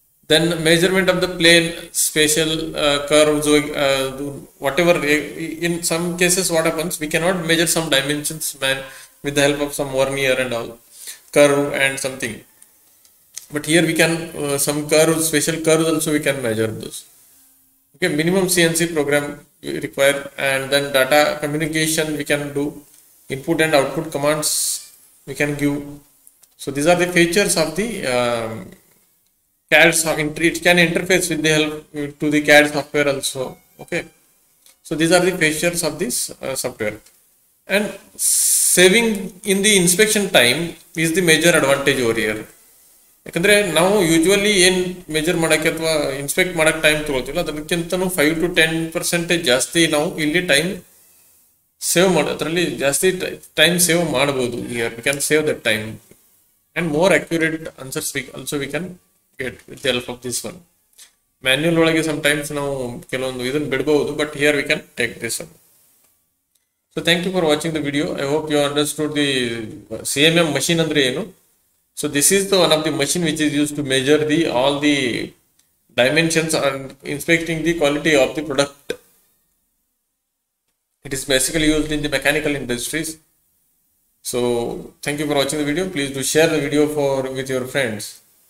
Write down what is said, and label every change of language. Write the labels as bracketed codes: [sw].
[en] Then measurement of the plane, special curves, whatever in some cases what happens, we can not measure some dimensions man with the help of some vernier and all curve and something. But here we can some curves, special curves also we can measure those, okay? Minimum C N C program require, and then data communication we can do, input and output commands we can give. So these are the features of the CAD software. It can interface with the help to the CAD software also. Okay, so these are the features of this software. And saving in the inspection time is the major advantage over here. [kn] ಯಾಕಂದ್ರೆ ನಾವು usually ಏನ್ measure ಮಾಡಕ್ಕೆ ಅಥವಾ inspect ಮಾಡಕ್ time ತಗೊಳ್ತೀವಿ, ಅದಕ್ಕಿಂತ 5-10% ಜಾಸ್ತಿ ನಾವು ಇಲ್ಲಿ ಟೈಮ್ ಸೇವ್ ಮಾಡೋ ಅದರಲ್ಲಿ ಜಾಸ್ತಿ ಟೈಮ್ ಸೇವ್ ಮಾಡಬಹುದು. [en] Here we can save that time and more accurate answers we also we can get with the help of this one. Manual [kn] ಒಳಗೆ [en] sometimes [kn] ನಾವು ಕೆಲವೊಂದು ಇದನ್ನು ಬಿಡಬಹುದು, [en] But here we can take this one. So thank you for watching the video. I hope you understood the CMM machine [kn] ಅಂದ್ರೆ ಏನು. [en] So this is the one of the machine which is used to measure the all the dimensions and inspecting the quality of the product. It is basically used in the mechanical industries. So thank you for watching the video. Please do share the video with your friends.